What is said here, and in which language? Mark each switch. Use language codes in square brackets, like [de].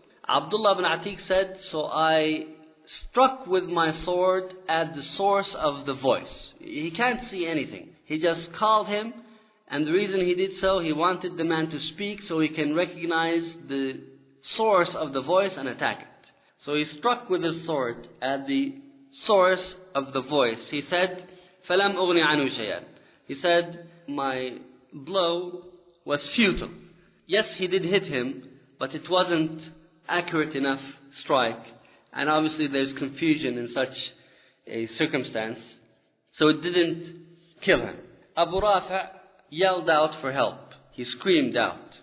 [en] Abdullah ibn Atik said, "So I struck with my sword at the source of the voice." He can't see anything. He just called him, and the reason he did so, he wanted the man to speak so he can recognize the source of the voice and attack it. So he struck with his sword at the source of the voice. He said, [ar] "فَلَمْ أُغْنِ عَنُهُ شَيْئًا." [en] He said, "My blow was futile." Yes, he did hit him, but it wasn't accurate enough strike. And obviously there's confusion in such a circumstance. So it didn't kill him. Abu Rafa yelled out for help. He screamed out.